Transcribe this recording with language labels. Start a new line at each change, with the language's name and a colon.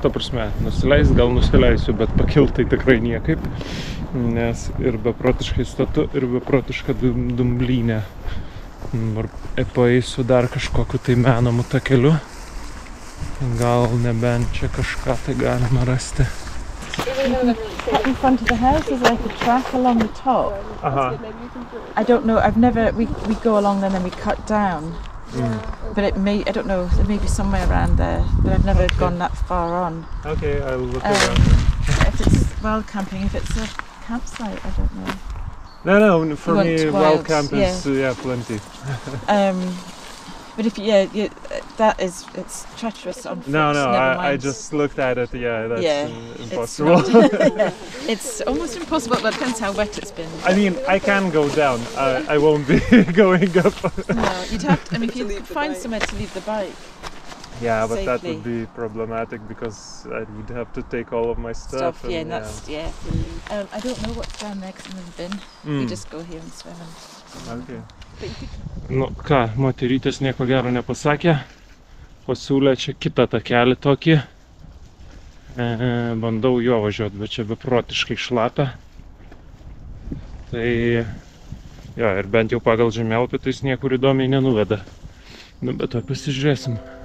Lithuanian: Ta prasme, nusileist gal nusileisiu, bet pakilt tai tikrai niekaip. Nes ir beprotiškai statu, ir beprotiška dumblynė. Ar paeisiu dar kažkokiu tai menomu takeliu. Gal nebent čia kažką tai galima rasti.
English: In front of the house is like a track along the top. Aha. I don't know, I've never, we go along and then we cut down. Yeah. But it may, I don't know, it may be somewhere around there, but I've never gone that far on. Okay, I'll look around. If it's wild camping, if it's a campsite, I don't know. No, for me, wild camp is, yeah plenty. But if, that is, it's treacherous on foot. No, I just looked at it, impossible. It's, yeah. It's almost impossible, but it depends how wet it's been. I mean, I can go down, I won't be going up. No, you'd have to, I mean, if you find somewhere to leave the bike. Yeah, but safely. That would be problematic because you'd have to take all of my stuff. And, I don't know what's down there because I've never been. You just go here and swim. And, okay.
Lithuanian: Nu ką, moterytės nieko gero nepasakė, pasiūlė čia kitą takelį tokį, bandau juo važiuot, bet čia beprotiškai šlapia, tai jo, ir bent jau pagal žemėlapį, tai jis niekur įdomiai nenuveda, nu bet to pasižiūrėsim.